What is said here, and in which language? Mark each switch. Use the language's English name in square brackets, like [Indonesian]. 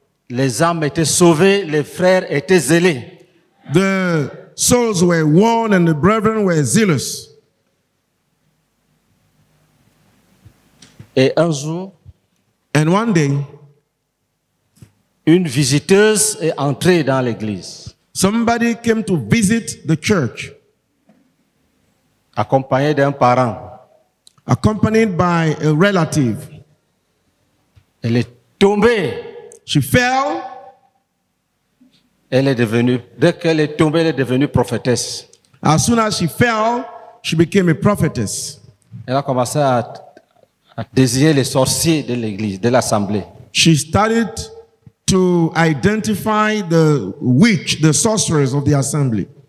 [French] Les âmes étaient sauvées, les frères étaient zélés. [English] The souls were won and the brethren were zealous. [French] Et un jour, [English] and one day, [French] une visiteuse est entrée dans l'église. [English] Somebody came to visit the church. [French] Accompagné d'un parent. [English] Accompanied by a relative. [French] Elle est tombée. [English] She fell. [French] Elle est devenue, dès qu'elle est tombée, elle est devenue prophétesse. [English] As soon as she fell, she became a prophetess. [French] Elle a commencé à désigner les sorciers de l'église, de l'assemblée. [English] She started to identify the witch, the sorcerers of the assembly.